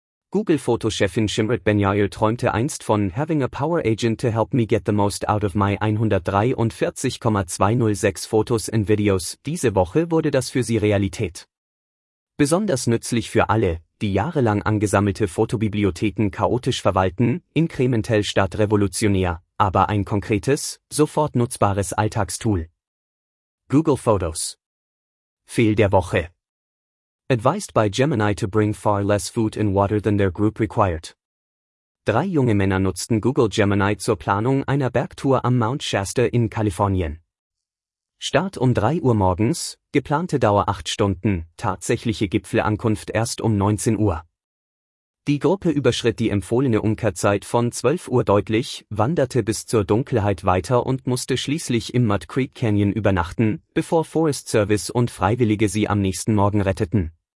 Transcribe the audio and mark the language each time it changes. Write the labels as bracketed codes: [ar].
[de] Google Fotoschefin Shimrit Benyail träumte einst von [en] having a power agent to help me get the most out of my [de] 143,206 Fotos and Videos, diese Woche wurde das für sie Realität. Besonders nützlich für alle, die jahrelang angesammelte Fotobibliotheken chaotisch verwalten, inkrementell statt revolutionär, aber ein konkretes, sofort nutzbares Alltagstool. Google Photos. Fehl der Woche. [en] Advised by Gemini to bring far less food and water than their group required. [de] Drei junge Männer nutzten Google Gemini zur Planung einer Bergtour am Mount Shasta in Kalifornien. Start um 3 Uhr morgens, geplante Dauer 8 Stunden, tatsächliche Gipfelankunft erst um 19 Uhr. Die Gruppe überschritt die empfohlene Umkehrzeit von 12 Uhr deutlich, wanderte bis zur Dunkelheit weiter und musste schließlich im Mud Creek Canyon übernachten, bevor Forest Service und Freiwillige sie am nächsten Morgen retteten.